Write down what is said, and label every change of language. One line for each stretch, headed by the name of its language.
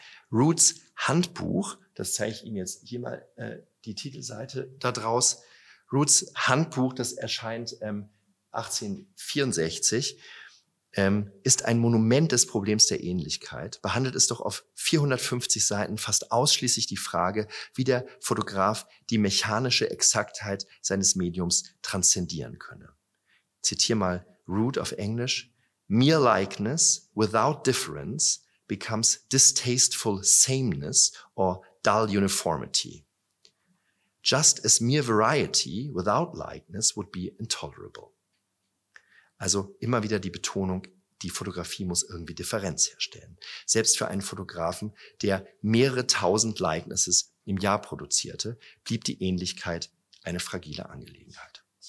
German: Roots Handbuch, das zeige ich Ihnen jetzt hier mal die Titelseite da draus, Roots Handbuch, das erscheint 1864, ist ein Monument des Problems der Ähnlichkeit, behandelt es doch auf 450 Seiten fast ausschließlich die Frage, wie der Fotograf die mechanische Exaktheit seines Mediums transzendieren könne. Ich zitiere mal Root auf Englisch.
English: Mere likeness without difference becomes distasteful sameness or dull uniformity. Just as mere variety without likeness would be intolerable.
German: Also immer wieder die Betonung, die Fotografie muss irgendwie Differenz herstellen. Selbst für einen Fotografen, der mehrere tausend Likenesses im Jahr produzierte, blieb die Ähnlichkeit eine fragile Angelegenheit.